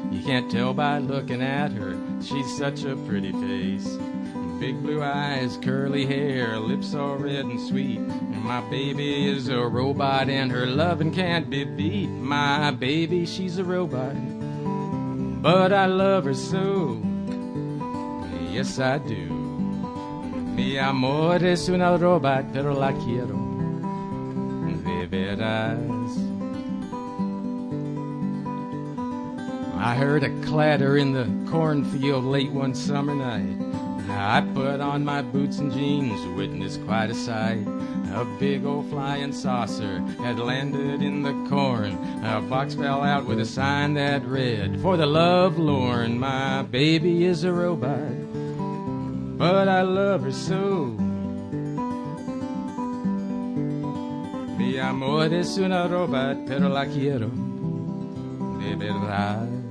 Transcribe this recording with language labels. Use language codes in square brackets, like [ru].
[en] You can't tell by looking at her, she's such a pretty face. Big blue eyes, curly hair, lips all red and sweet. My baby is a robot and her loving can't be beat. My baby, she's a robot, but I love her so. Yes, I do. [es] Mi amor es una robot, pero la quiero. De veras. [en] I heard a clatter in the cornfield late one summer night. I put on my boots and jeans, witnessed quite a sight. A big old flying saucer had landed in the corn. A box fell out with a sign that read, for the lovelorn. My baby is a robot, but I love her so. [es] Mi amor es una robot, pero la quiero de verdad.